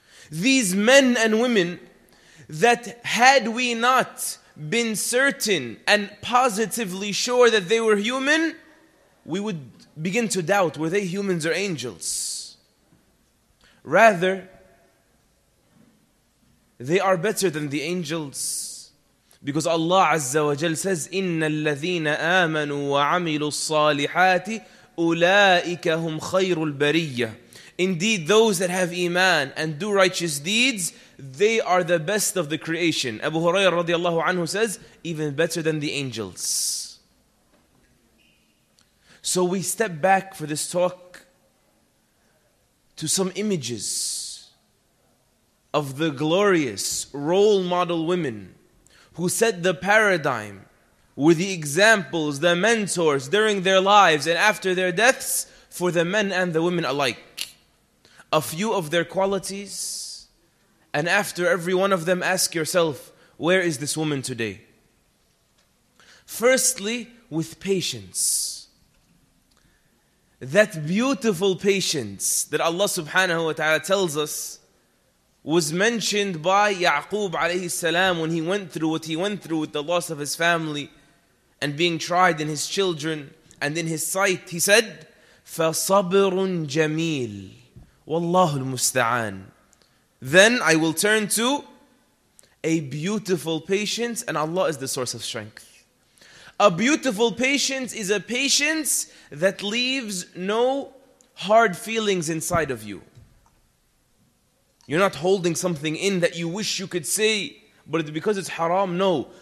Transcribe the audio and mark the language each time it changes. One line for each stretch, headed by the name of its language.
English: These men and women that had we not been certain and positively sure that they were human, we would begin to doubt, were they humans or angels? Rather, they are better than the angels. Because Allah Azza wa Jal says,
Arabic: إِنَّ الَّذِينَ آمَنُوا وَعَمِلُوا الصَّالِحَاتِ أُولَٰئِكَ هُمْ خَيْرُ الْبَرِيَّةِ.
English: Indeed, those that have iman and do righteous deeds, they are the best of the creation. Abu Hurairah radiallahu anhu says, even better than the angels. So we step back for this talk to some images of the glorious role model women who set the paradigm, were the examples, the mentors during their lives and after their deaths for the men and the women alike. A few of their qualities, and after every one of them, ask yourself, where is this woman today? Firstly, with patience. That beautiful patience that Allah subhanahu wa ta'ala tells us was mentioned by Ya'qub alayhi salam when he went through what he went through with the loss of his family and being tried in his children and in his sight. He said,
Arabic: فَصَبْرٌ جَمِيلٌ وَاللَّهُ الْمُسْتَعَانُ.
English: Then I will turn to a beautiful patience, and Allah is the source of strength. A beautiful patience is a patience that leaves no hard feelings inside of you. You're not holding something in that you wish you could say, but because it's haram, no.